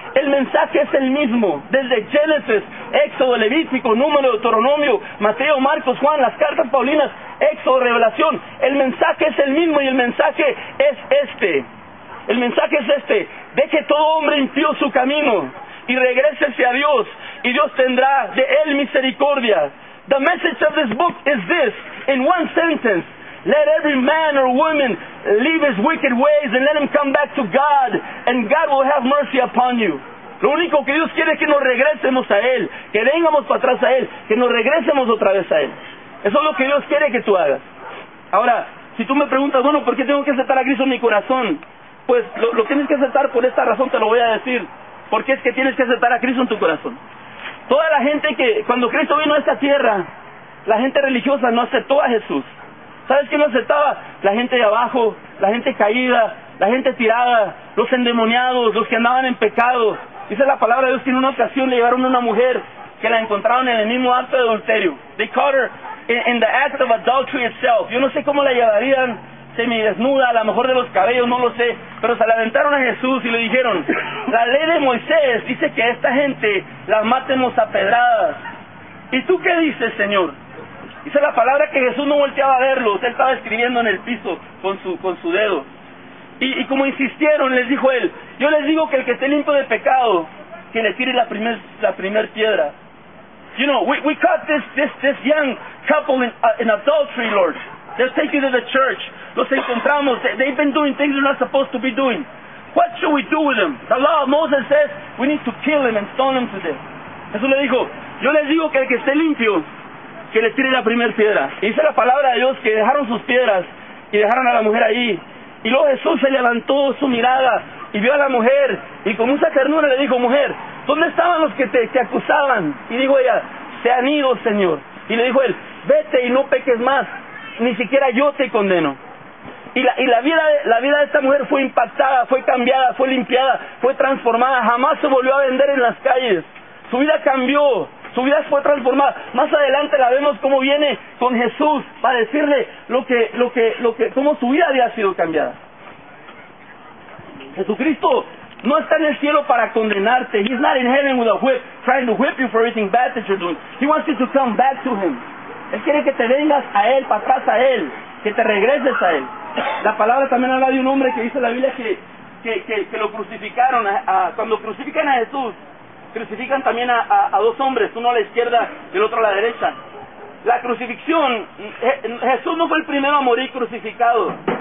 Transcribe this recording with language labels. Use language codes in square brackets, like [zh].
[es] El mensaje es el mismo. Desde Génesis, Éxodo, Levítico, Número, Deuteronomio, Mateo, Marcos, Juan, las cartas paulinas, Éxodo, Revelación. El mensaje es el mismo y el mensaje es este. El mensaje es este. Deje todo hombre impío su camino y regrésese a Dios y Dios tendrá de él misericordia. [en] The message of this book is this, in one sentence, let every man or woman leave his wicked ways and let him come back to God, and God will have mercy upon you. [es] Lo único que Dios quiere es que nos regresemos a Él, que vengamos para atrás a Él, que nos regresemos otra vez a Él. Eso es lo que Dios quiere que tú hagas. Ahora, si tú me preguntas, bueno, ¿por qué tengo que aceptar a Cristo en mi corazón? Pues lo tienes que aceptar por esta razón, te lo voy a decir, porque es que tienes que aceptar a Cristo en tu corazón. Toda la gente que, cuando Cristo vino a esta tierra, la gente religiosa no aceptó a Jesús. ¿Sabes quién lo aceptaba? La gente de abajo, la gente caída, la gente tirada, los endemoniados, los que andaban en pecado. Dice la palabra de Dios que en una ocasión le llevaron a una mujer que la encontraron en el mismo acto de adulterio. [en] They caught her in the act of adultery itself. [es] Yo no sé cómo la llevarían semidesnuda, a lo mejor de los cabellos, no lo sé. Pero se la aventaron a Jesús y le dijeron, la ley de Moisés dice que a esta gente las matemos a pedradas. ¿Y tú qué dices, Señor? Dice la palabra que Jesús no volteaba a verlos. Él estaba escribiendo en el piso con su dedo. Y como insistieron, les dijo él, yo les digo que el que esté limpio de pecado, que le tire la primer piedra. [en] You know, we caught this young couple in adultery, Lord. They'll take you to the church. [es] Los encontramos. [en] They've been doing things they're not supposed to be doing. What should we do with them? The law of Moses says we need to kill them and stone them to death. [es] Jesús le dijo, yo les digo que el que esté limpio, que le tire la primera piedra. Y dice la palabra de Dios que dejaron sus piedras y dejaron a la mujer ahí. Y luego Jesús se levantó su mirada y vio a la mujer. Y con mucha ternura le dijo, mujer, ¿dónde estaban los que te acusaban? Y dijo ella, se han ido, Señor. Y le dijo él, vete y no peques más. Ni siquiera yo te condeno. Y la vida de esta mujer fue impactada, fue cambiada, fue limpiada, fue transformada. Jamás se volvió a vender en las calles. Su vida cambió, su vida fue transformada. Más adelante la vemos cómo viene con Jesús para decirle lo que cómo su vida había sido cambiada. Jesucristo no está en el cielo para condenarte. [en] He's not in heaven with a whip, trying to whip you for everything bad that you're doing. He wants you to come back to him. [es] Él quiere que te vengas a Él, para atrás a Él, que te regreses a Él. La palabra también habla de un hombre que dice la Biblia que lo crucificaron. Cuando crucifican a Jesús, crucifican también a dos hombres, uno a la izquierda y el otro a la derecha. La crucifixión, Jesús no fue el primero a morir crucificado.